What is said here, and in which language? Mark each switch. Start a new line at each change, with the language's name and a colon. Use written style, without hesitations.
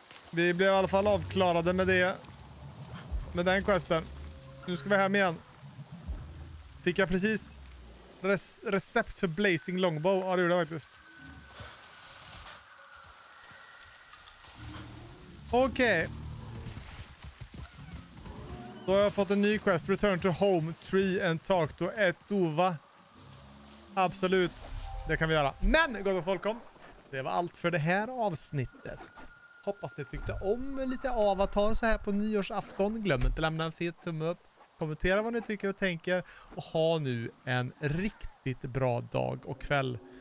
Swedish: Vi blev i alla fall avklarade med det. Med den questen. Nu ska vi hem igen. Fick jag precis recept för Blazing Longbow. Ja, det gjorde jag faktiskt. Okej. Okay. Då har jag fått en ny quest.
English: Return to home tree and talk to Etova.
Swedish: Absolut. Det kan vi göra. Men, gott och folkom. Det var allt för det här avsnittet. Hoppas ni tyckte om lite avatar så här på nyårsafton. Glöm inte att lämna en fet tumme upp. Kommentera vad ni tycker och tänker. Och ha nu en riktigt bra dag och kväll.